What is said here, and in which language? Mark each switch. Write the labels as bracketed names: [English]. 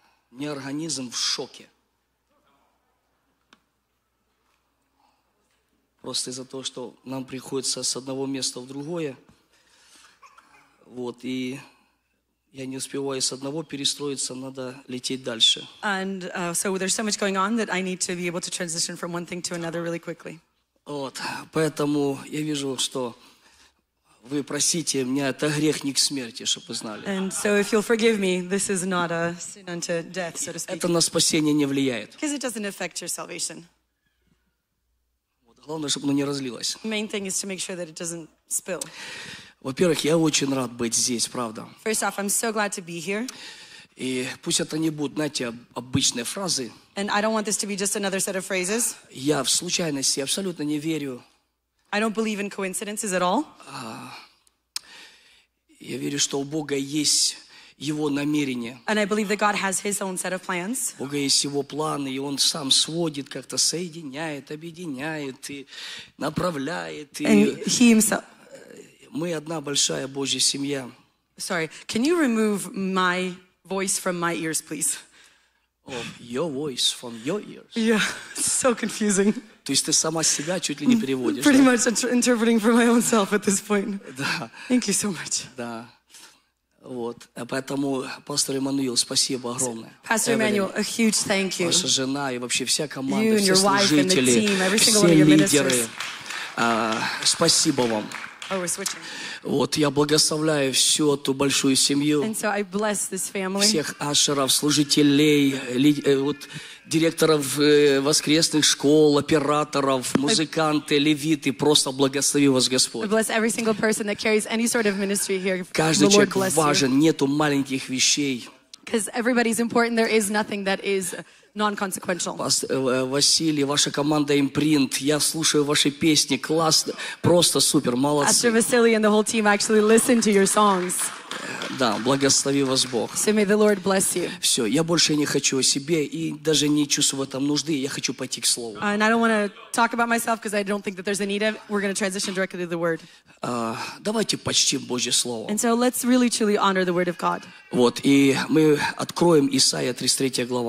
[Russian] У меня организм в шоке. Просто из-за того, что нам приходится с одного места в другое. Вот, и я не успеваю с одного перестроиться, надо лететь дальше. [English] And so there's so much going on that I need to be able to transition from one thing to another really quickly. [Russian] Вот, поэтому я вижу, что вы просите меня, это грех не к смерти, чтобы вы знали. [English] And so if you'll forgive me, this is not a sin unto death, so to speak. [Russian] Это на спасение не влияет. [English] Because it doesn't affect your salvation. [Russian] Главное, чтобы оно не разлилось. [English] Main thing is to make sure that it doesn't spill. [Russian] Во-первых, я очень рад быть здесь, правда. [English] First off, I'm so glad to be here. [Russian] И пусть это не будут, знаете, обычные фразы. [English] And I don't want this to be just another set of phrases. [Russian] Я в случайности абсолютно не верю. [English] I don't believe in coincidences at all. [Russian] Я верю, что у Бога есть Его намерение. [English] And I believe that God has His own set of plans. [Russian] У Бога есть Его планы, и Он сам сводит, как-то соединяет, объединяет и направляет. [English] And He Himself. [Russian] Мы одна большая Божья семья. [English] Sorry, can you remove my voice from my ears, please? Oh, your voice from your ears. Yeah, so confusing. [Russian] То есть ты сама себя чуть ли не переводишь. [English] Pretty much interpreting for my own self at this point. [Russian] Да. [English] Thank you so much. [Russian] Да. Вот, поэтому, пастор Эммануил, спасибо огромное. [English] Pastor Emmanuel, a huge thank you. [Russian] Ваша жена и вообще вся команда, все служители, все лидеры. Спасибо вам. [English] Oh, we're switching. [Russian] Вот, я благословляю всю эту большую семью. [English] And so I bless this family. [Russian] Всех ашеров, служителей, вот, директоров воскресных школ, операторов, музыканты, левиты, просто благослови вас, Господь. [English] I bless every single person that carries any sort of ministry here. [Russian] Каждый человек важен, нету маленьких вещей. [English] Because everybody's important, there is nothing that is non-consequential. [Russian] Василий, ваша команда Imprint, я слушаю ваши песни, классно, просто супер, молодцы. [English] Pastor Vasily and the whole team actually listen to your songs. [Russian] Да, благослови вас Бог. [English] So may the Lord bless you. [Russian] Все, я больше не хочу о себе и даже не чувствую в этом нужды, я хочу пойти к Слову. [English] And I don't want to talk about myself because I don't think that there's a need of it. We're going to transition directly to the Word. [Russian] Давайте почтим Божье Слово. [English] And so let's really truly honor the Word of God. [Russian] Вот, и мы откроем Исаия 33 глава.